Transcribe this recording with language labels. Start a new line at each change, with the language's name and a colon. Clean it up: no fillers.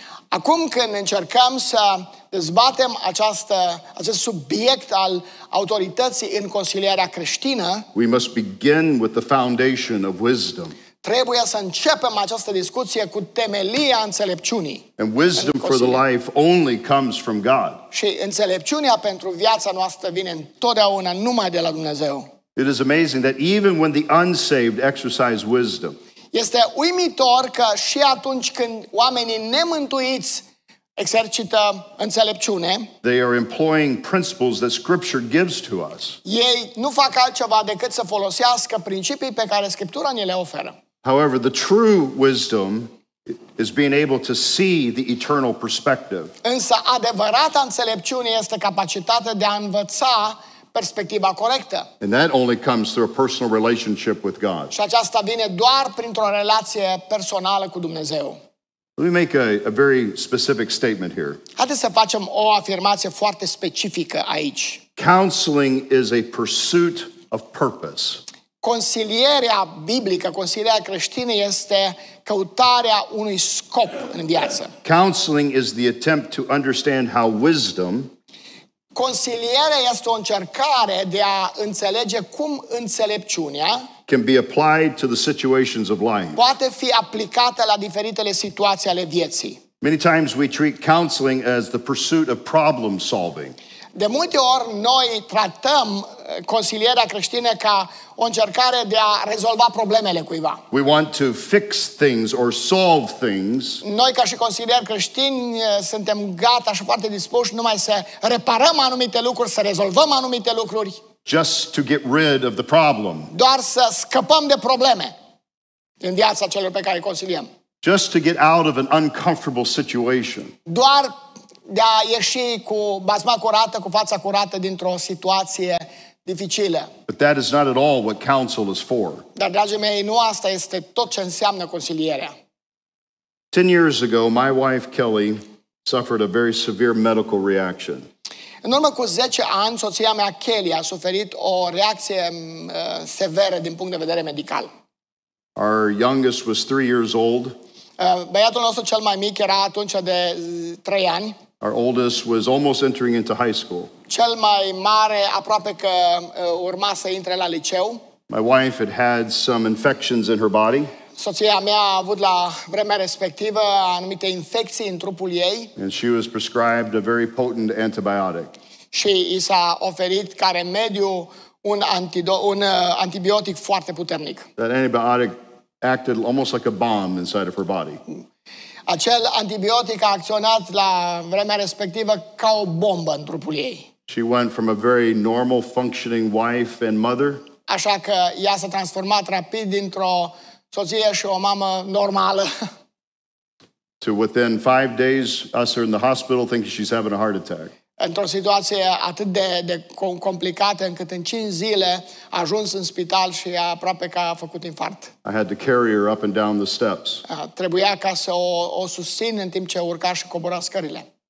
Romanian: Acum când încercăm să dezbatem acest subiect al autorității în consilierea creștină,
English: we must begin with the foundation of wisdom.
Romanian: Trebuie să începem această discuție cu temelia înțelepciunii.
English: And wisdom for the life only comes from God.
Romanian: Și înțelepciunea pentru viața noastră vine întotdeauna numai de la Dumnezeu.
English: It is amazing that even when the unsaved exercise wisdom.
Romanian: Este uimitor că și atunci când oamenii nemântuiți exercită înțelepciune.
English: They are employing principles that Scripture gives to us.
Romanian: Ei nu fac altceva decât să folosească principii pe care Scriptura ni le oferă.
English: However, the true wisdom is being able to see the eternal perspective.
Romanian: Însă adevărata înțelepciune este capacitatea de a învăța perspectiva corectă.
English: And that only comes through a personal relationship with God.
Romanian: Și aceasta vine doar printr-o relație personală cu Dumnezeu.
English: Let me make a very specific statement here.
Romanian: Haideți să facem o afirmație foarte specifică aici.
English: Counseling is a pursuit of purpose.
Romanian: Consilierea biblică, consilierea creștină este căutarea unui scop în viață.
English: Counseling is the attempt to understand how wisdom.
Romanian: Consilierea este o încercare de a înțelege cum înțelepciunea
English: can be applied to the situations of life.
Romanian: Poate fi aplicată la diferitele situații ale vieții.
English: Many times we treat counseling as the pursuit of problem solving.
Romanian: De multe ori noi tratăm consilierea creștină ca o încercare de a rezolva problemele cuiva.
English: We want to fix things or solve things.
Romanian: Noi ca și consilieri creștini suntem gata și foarte dispuși numai să reparăm anumite lucruri, să rezolvăm anumite lucruri.
English: Just to get rid of the problem.
Romanian: Doar să scăpăm de probleme în viața celor pe care îi consiliem.
English: Just to get out of an uncomfortable situation.
Romanian: Doar de a ieși cu bazma curată, cu fața curată dintr-o situație dificilă.
English: But that is not at all what counsel is for.
Romanian: Dar, dragii mei, nu asta este tot ce înseamnă consilierea.
English: 10 years ago, my wife Kelly suffered a very severe medical reaction.
Romanian: În urmă cu 10 ani, soția mea Kelly a suferit o reacție severă din punct de vedere medical.
English: Our youngest was 3 years old.
Romanian: Băiatul nostru cel mai mic era atunci de 3 ani.
English: Our oldest was almost entering into high school.
Romanian: Cel mai mare aproape că urma să intre la liceu.
English: My wife had had some infections in her body.
Romanian: Soția mea a avut la vremea respectivă anumite infecții în trupul ei.
English: And she was prescribed a very potent antibiotic.
Romanian: Și i s-a oferit ca remediu un antibiotic foarte puternic.
English: That antibiotic acted almost like a bomb inside of her body.
Romanian: Acel antibiotic a acționat la vremea respectivă ca o bombă în trupul ei.
English: She went from a very normal functioning wife and mother.
Romanian: Așa că ea s-a transformat rapid dintr-o soție și o mamă normală.
English: To within 5 days, us are in the hospital thinking she's having a heart attack.
Romanian: Într-o situație atât de complicată încât în 5 zile a ajuns în spital și aproape că a făcut infart.
English: I had to carry her up and down the steps.
Romanian: Trebuia ca să o susțin în timp ce urca și cobora scările.